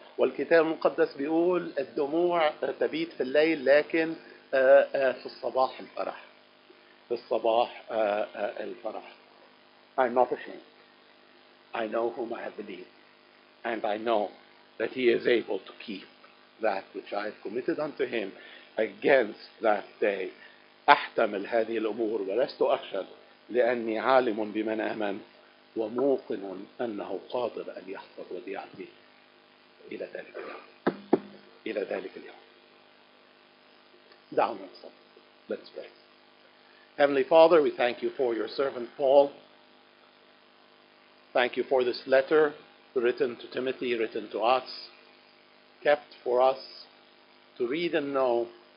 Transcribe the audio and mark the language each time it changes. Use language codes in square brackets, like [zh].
[ar] والكتاب المقدس بيقول الدموع تبيت في الليل لكن في الصباح الفرح. في الصباح الفرح. [en] I'm not ashamed. I know whom I have believed. And I know that he is able to keep that which I have committed unto him against that day. [ar] أحتمل هذه الأمور ولست أخشى لأني عالم بمن آمن وموقن أنه قادر أن يحفظ وديعتي. إلى ذلك اليوم. إلى ذلك اليوم. دعونا نصلي. [en] Let's pray. Heavenly Father, we thank you for your servant Paul. Thank you for this letter written to Timothy, written to us, kept for us to read and know.